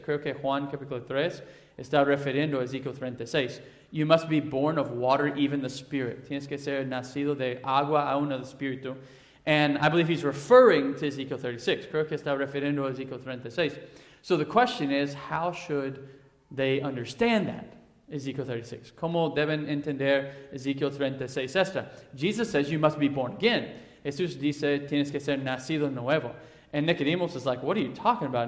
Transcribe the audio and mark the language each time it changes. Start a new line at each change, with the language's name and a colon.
Spanish: Creo que Juan capítulo 3 está refiriendo a Ezekiel 36.
English: You must be born of water, even the Spirit.
Spanish: Tienes que ser nacido de agua aún del Espíritu.
English: And I believe he's referring to Ezekiel 36.
Spanish: Creo que está refiriendo a Ezekiel 36.
English: So the question is, how should they understand that?
Spanish: Ezekiel 36. ¿Cómo deben entender Ezekiel 36 esta?
English: Jesus says you must be born again.
Spanish: Jesús dice, tienes que ser nacido nuevo.
English: And Nicodemus is like, what are you talking about?